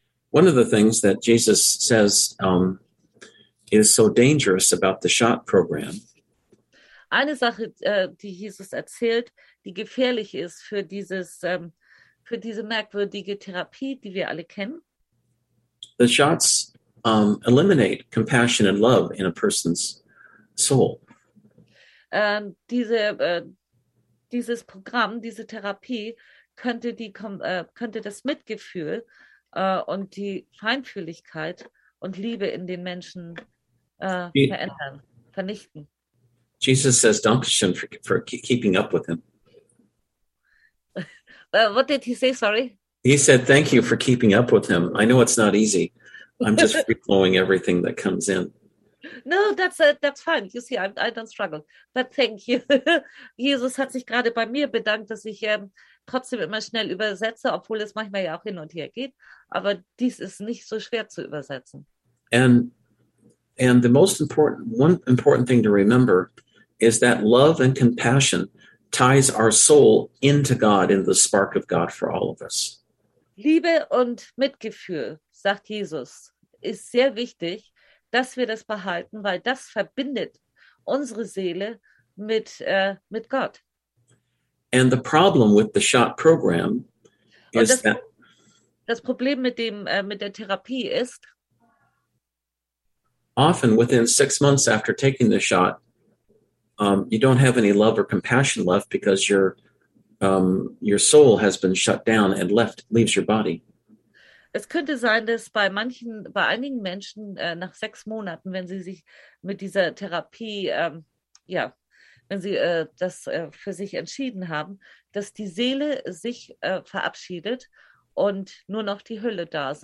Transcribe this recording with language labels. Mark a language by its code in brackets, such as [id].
[en] One of the things that Jesus says is so dangerous about the shot program. [de] Eine Sache, die Jesus erzählt, die gefährlich ist für diese merkwürdige Therapie, die wir alle kennen. [en] The shots eliminate compassion and love in a person's soul. [de] Dieses Programm, diese Therapie könnte das Mitgefühl und die Feinfühligkeit und Liebe in den Menschen verändern, vernichten. [en] Jesus says, "Dankeschön for keeping up with him." What did he say? Sorry. He said, "Thank you for keeping up with him. I know it's not easy. I'm just free flowing everything that comes in." No, that's fine. You see, I don't struggle. But thank you. [de] Jesus hat sich gerade bei mir bedankt, dass ich trotzdem immer schnell übersetze, obwohl es manchmal ja auch hin und her geht. Aber dies ist nicht so schwer zu übersetzen. [en] And the most important thing to remember is that love and compassion ties our soul into God in the spark of God for all of us. [de] Liebe und Mitgefühl, sagt Jesus, ist sehr wichtig, dass wir das behalten, weil das verbindet unsere Seele mit Gott. [en] And the problem with the shot program is that [de] das Problem mit der Therapie ist, [en] often within 6 months after taking the shot, you don't have any love or compassion left because your soul has been shut down and leaves your body. [de] Es könnte sein, dass bei einigen Menschen nach 6 Monaten, wenn sie sich mit dieser Therapie, wenn sie das für sich entschieden haben, dass die Seele sich verabschiedet und nur noch die Hülle da ist.